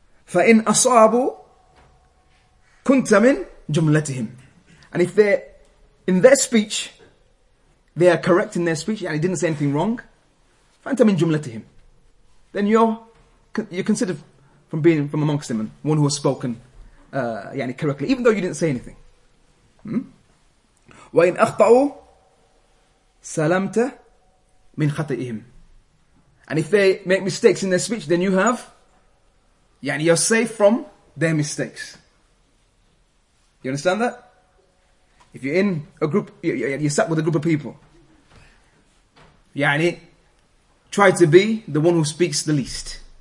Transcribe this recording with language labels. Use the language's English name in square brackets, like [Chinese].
[Arabic] فَإِنْ أَصَابُ كُنْتَ مِنْ جُمْلَتِهِمْ [English] And if they're in their speech, they are correct in their speech, يعني didn't say anything wrong, [Arabic] فَأَنْتَ مِنْ جُمْلَتِهِمْ [English] Then you're considered from being from amongst them, and one who has spoken يعني correctly, even though you didn't say anything. [Arabic] وإن أخطأوا سلمت من خطئهم. [English] And if they make mistakes in their speech, then you have, يعني you're safe from their mistakes. You understand that? If you're in a group, you're sat with a group of people. يعني try to be the one who speaks the least.